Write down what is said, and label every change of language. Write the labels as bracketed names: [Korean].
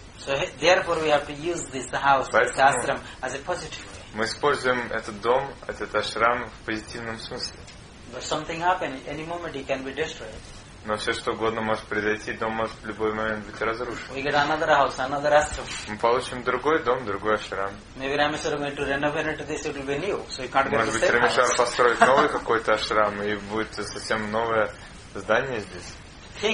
[English] So therefore we have to use this house, [Russian] поэтому [English] this ashram as a positive way. [Russian] Мы используем этот дом, этот ашрам в позитивном смысле. [English] But something happens, any moment it can be destroyed. [Russian] Но все, что угодно может произойти, дом может в любой момент быть разрушен. [English] We get another house, another ashram. [Russian] Мы получим другой дом, другой ашрам. [English] Maybe Рамешар going to renovate this, it will be new, so you can't get. [Russian] Может быть, Рамешар построит новый какой-то ашрам, и будет совсем новое здание здесь.